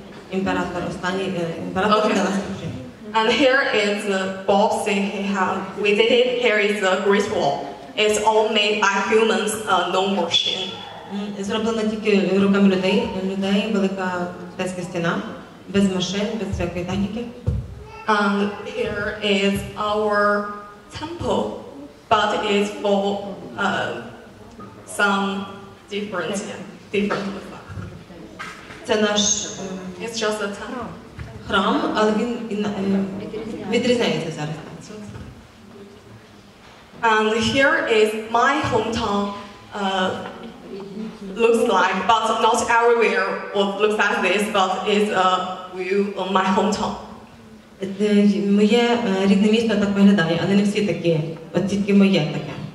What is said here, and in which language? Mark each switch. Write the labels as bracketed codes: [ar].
[uk] Імператор останній, імператор династії Чін. [en] And here is the Bob saying he has visited. Here is the Great Wall. It's all made by humans, no machine. [uk] Зроблено тільки руками людей. Людей, велика китайська стіна. Без машин, без всякої техніки. [en] And here is our temple. But it's for some difference. Yeah. Different. [uk] Це наш... [en] It's just a temple. [uk] Храм, але він відрізняється зараз. [en] And here is my hometown looks like, but not everywhere looks like this, but is a view of my hometown. [uk] Моє рідне місто так виглядає, але не всі такі, от тільки моє таке.